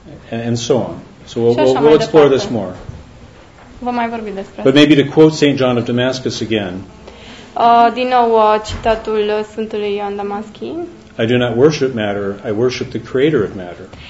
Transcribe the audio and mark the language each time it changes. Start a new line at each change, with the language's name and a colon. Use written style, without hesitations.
English: And so on. So we'll explore this more.
Romanian: vom mai vorbi despre.
English: But maybe to quote St. John of Damascus again.
Romanian: Din nou citatul Sfântului Ioan Damaschin.
English: I do not worship matter, I worship the creator of matter.